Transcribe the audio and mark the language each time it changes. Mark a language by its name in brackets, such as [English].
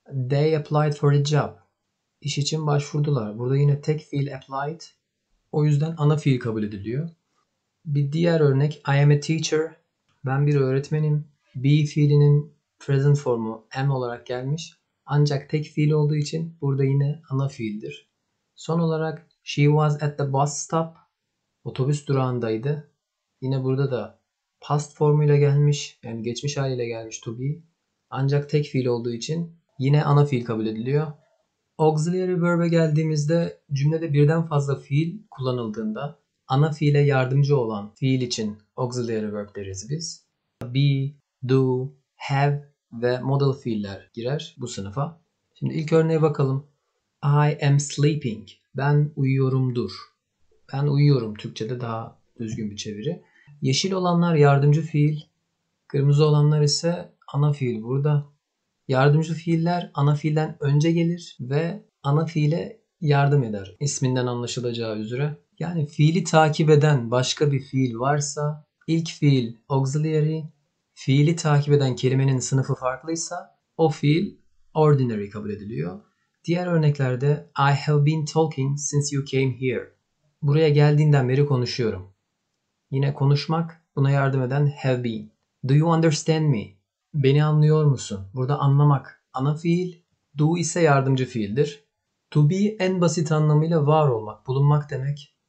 [English] They applied for a job. [Turkish] İş için başvurdular. Burada yine tek fiil applied. O yüzden ana fiil kabul ediliyor. Bir diğer örnek. [English] I am a teacher. [Turkish] Ben bir öğretmenim. Be fiilinin present formu am olarak gelmiş. Ancak tek fiil olduğu için burada yine ana fiildir. Son olarak [English] she was at the bus stop. [Turkish] Otobüs durağındaydı. Yine burada da past formuyla gelmiş. Yani geçmiş haliyle gelmiş to be. Ancak tek fiil olduğu için yine ana fiil kabul ediliyor. Auxiliary verb'e geldiğimizde cümlede birden fazla fiil kullanıldığında ana fiile yardımcı olan fiil için auxiliary verb deriz biz. Be, do, have ve modal fiiller girer bu sınıfa. Şimdi ilk örneğe bakalım. [English] I am sleeping. [Turkish] Ben uyuyorumdur. Ben uyuyorum. Türkçe'de daha düzgün bir çeviri. Yeşil olanlar yardımcı fiil. Kırmızı olanlar ise ana fiil burada. Yardımcı fiiller ana fiilden önce gelir ve ana fiile yardım eder. İsminden anlaşılacağı üzere. Yani fiili takip eden başka bir fiil varsa, ilk fiil auxiliary, fiili takip eden kelimenin sınıfı farklıysa o fiil ordinary kabul ediliyor. Diğer örneklerde [English] I have been talking since you came here. [Turkish] Buraya geldiğinden beri konuşuyorum. Yine konuşmak buna yardım eden have been. [English] Do you understand me? [Turkish] Beni anlıyor musun? Burada anlamak ana fiil, do ise yardımcı fiildir. To be en basit anlamıyla var olmak, bulunmak demek.